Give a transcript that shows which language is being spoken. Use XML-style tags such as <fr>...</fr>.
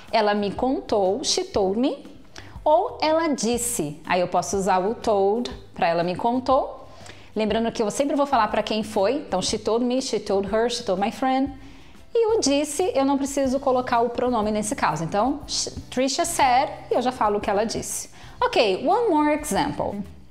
<pt>Ela me contou,</pt> <en>she told me.</en> <pt>Ou ela disse. Aí eu posso usar o told para ela me contou. Lembrando que eu sempre vou falar para quem foi. Então</pt> <en>she told me, she told her, she told my friend.</en> <pt>E o disse, eu não preciso colocar o pronome nesse caso. Então Trisha said e eu já falo o que ela disse.</pt> <en>Ok, one more example.</en>